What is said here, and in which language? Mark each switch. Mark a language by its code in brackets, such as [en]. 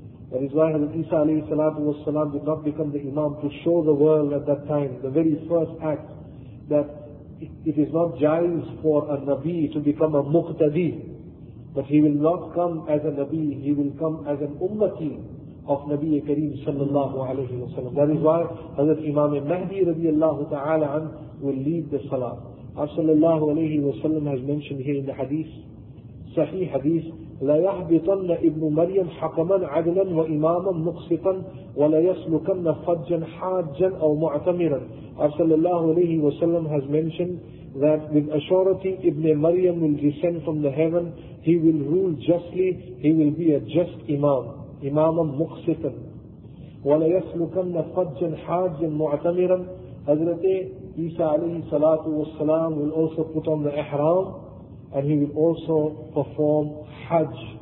[en] That is why Hazrat Isa alayhi salatu wa sallam did not become the imam to show the world at that time, the very first act, that it is not jais for a nabi to become a muqtadi, but he will not come as a nabi, he will come as an ummati of Nabi Kareem sallallahu alayhi wa sallam. That is why Hazrat Imam Mahdi radiallahu ta'ala an will lead the salah. Our sallallahu alayhi wa sallam has mentioned here in the hadith, sahih hadith, [ar] لا يهبطن ابن مريم حكما عدلا واماما مقسطا ولا يسلكن فجا حاجا او معتمرا. صلى الله عليه وسلم [en] has mentioned that with assurity ابن مريم will descend from the heaven, he will rule justly, he will be a just imam, [ar] اماما مقسطا ولا يسلكن فجا حاجا معتمرا. حضرت عيسى عليه الصلاه والسلام [en] will also put on the ihram and he will also perform Hajj.